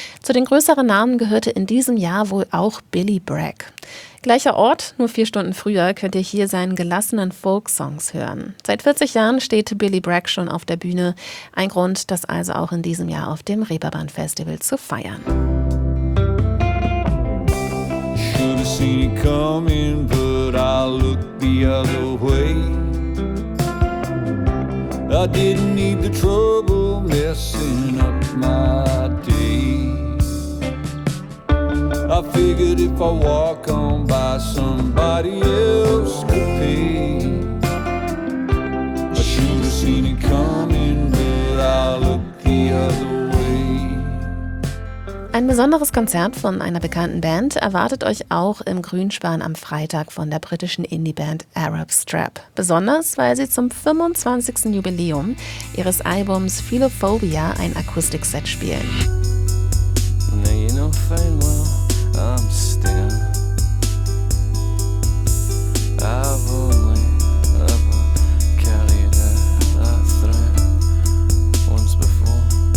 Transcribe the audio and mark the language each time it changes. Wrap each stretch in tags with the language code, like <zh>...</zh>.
<de>Zu den größeren Namen gehörte in diesem Jahr wohl auch Billy Bragg. Gleicher Ort, nur 4 Stunden früher, könnt ihr hier seinen gelassenen Folksongs hören. Seit 40 Jahren steht Billy Bragg schon auf der Bühne. Ein Grund, das also auch in diesem Jahr auf dem Reeperbahn-Festival zu feiern.</de> <en>Seen it coming, but I looked the other way. I didn't need the trouble messing up my day. I figured if I walk on by, somebody else could pay. I should have seen it coming, but I looked the other way.</en> <de>Ein besonderes Konzert von einer bekannten Band erwartet euch auch im Grünspan am Freitag von der britischen Indie-Band Arab Strap. Besonders, weil sie zum 25. Jubiläum ihres Albums Philophobia ein Akustikset spielen.</de> <en>Now you know fine well, I'm still. I've only ever carried a threat once before.</en>